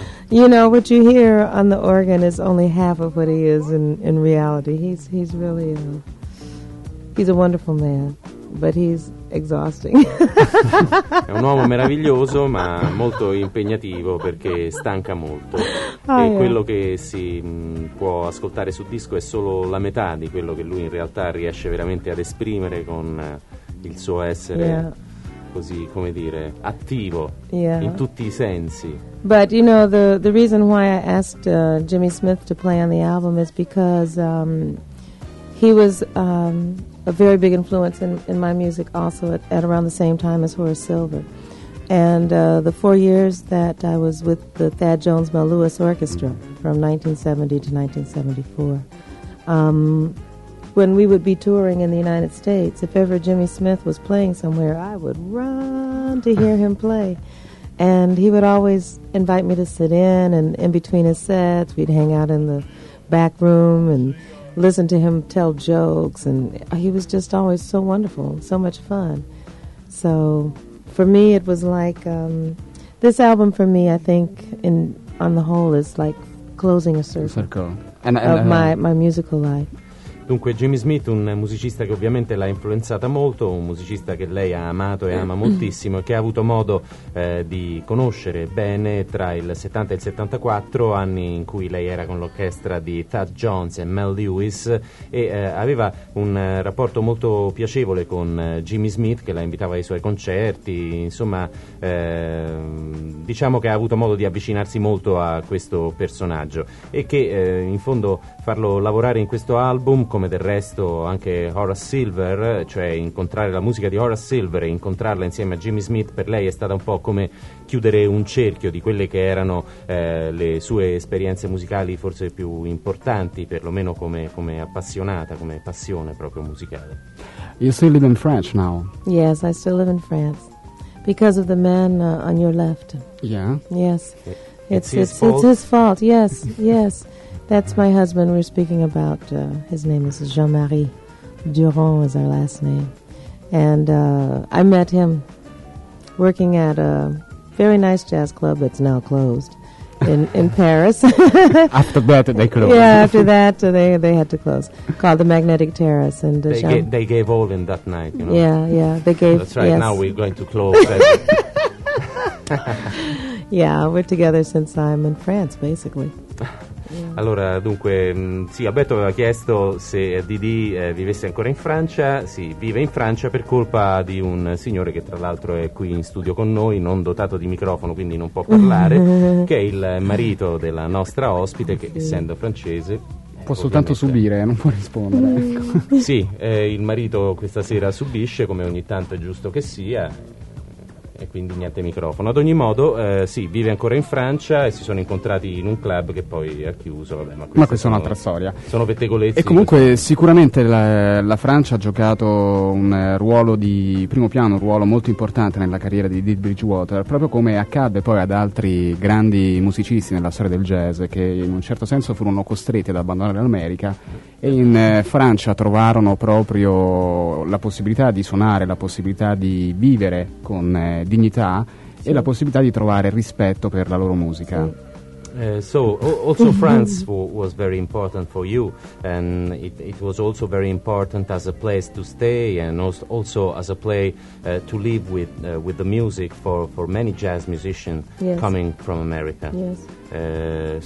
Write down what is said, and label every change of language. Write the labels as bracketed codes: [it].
[en] You know, what you hear on the organ is only half of what he is in reality. He's really he's a wonderful man, but he's exhausting. [it] È un uomo meraviglioso, ma molto impegnativo perché stanca molto. Oh, e [en] yeah. [it] Quello che si può ascoltare sul disco è solo la metà di quello che lui in realtà riesce veramente ad esprimere con il suo essere. [en] Yeah. [it] Così, come dire, attivo. [en] Yeah. [it] In tutti i sensi. [en] But you know, the reason why I asked Jimmy Smith to play on the album is because he was a very big influence in my music also at around the same time as Horace Silver. And the 4 years that I was with the Thad Jones Mel Lewis Orchestra from 1970 to 1974, when we would be touring in the United States, if ever Jimmy Smith was playing somewhere, I would run to hear him play. And he would always invite me to sit in, and in between his sets, we'd hang out in the back room and listen to him tell jokes. And he was just always so wonderful, so much fun. So for me, it was like, this album for me, I think, on the whole, is like closing a circle of my musical life. [it] Dunque, Jimmy Smith, un musicista che ovviamente l'ha influenzata molto, un musicista che lei ha amato e ama moltissimo e che ha avuto modo di conoscere bene tra il 70 e il 74, anni in cui lei era con l'orchestra di Thad Jones e Mel Lewis, e aveva un rapporto molto piacevole con Jimmy Smith, che la invitava ai suoi concerti. Insomma, diciamo che ha avuto modo di avvicinarsi molto a questo personaggio, e che in fondo farlo lavorare in questo album, come del resto anche Horace Silver, cioè incontrare la musica di Horace Silver e incontrarla insieme a Jimmy Smith, per lei è stata un po' come chiudere un cerchio di quelle che erano le sue esperienze musicali forse più importanti, perlomeno come appassionata, come passione proprio musicale. [en] You still live in France now? Yes, I still live in France because of the man on your left. Yeah. Yes. It's his fault. Yes. Yes. That's my husband we're speaking about. His name is Jean-Marie. Durand is our last name. And I met him working at a very nice jazz club that's now closed in Paris. After that, they could have... Yeah, after that, they had to close. Called the Magnetic Terrace. And they gave all in that night, you know. Yeah, yeah, they gave... That's right, yes. Now we're going to close. Yeah, we're together since I'm in France, basically. [it] Allora, dunque, sì, Alberto aveva chiesto se Didi vivesse ancora in Francia. Sì, vive in Francia per colpa di un signore che tra l'altro è qui in studio con noi, non dotato di microfono, quindi non può parlare, che è il marito della nostra ospite, che essendo francese può soltanto subire, non può rispondere. Ecco. Sì, il marito questa sera subisce, come ogni tanto è giusto che sia. e quindi niente microfono. Ad ogni modo, sì, vive ancora in Francia e si sono incontrati in un club che poi ha chiuso. Vabbè, ma questa è un'altra storia. Sono pettegolezzi. E comunque sicuramente la Francia ha giocato un ruolo di primo piano, un ruolo molto importante nella carriera di Dee Bridgewater, proprio come accadde poi ad altri grandi musicisti nella storia del jazz, che in un certo senso furono costretti ad abbandonare l'America e in Francia trovarono proprio la possibilità di suonare, la possibilità di vivere con dignità e la possibilità di trovare rispetto per la loro musica. [en] So also France was very important for you, and it was also very important as a place to stay and also as a place to live with the music for many jazz musicians. Yes. Coming from America. Yes.